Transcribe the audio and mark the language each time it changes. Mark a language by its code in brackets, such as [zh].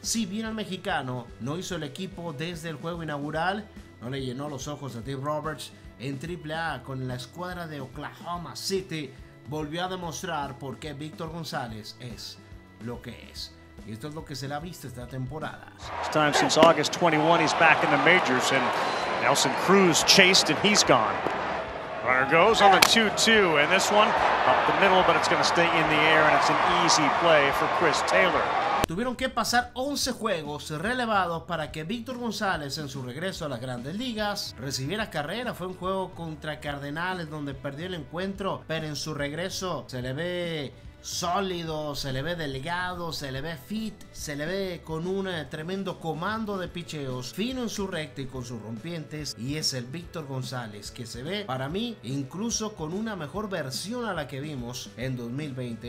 [es] Si bien el mexicano no hizo el equipo desde el juego inaugural, no le llenó los ojos a Dave Roberts en AAA con la escuadra de Oklahoma City, volvió a demostrar por qué Víctor González es lo que es. Y esto es lo que se le ha visto esta temporada. [en] It's time since August 21, he's back in the majors, and Nelson Cruz chased and he's gone. Runner goes on the 2-2, and this one up the middle, but it's going to stay in the air, and it's an easy play for Chris Taylor. [es] Tuvieron que pasar 11 juegos relevados para que Víctor González, en su regreso a las grandes ligas, recibiera carrera. Fue un juego contra Cardenales donde perdió el encuentro, pero en su regreso se le ve sólido, se le ve delgado, se le ve fit, se le ve con un tremendo comando de picheos, fino en su recta y con sus rompientes, y es el Víctor González, que se ve, para mí, incluso con una mejor versión a la que vimos en 2020.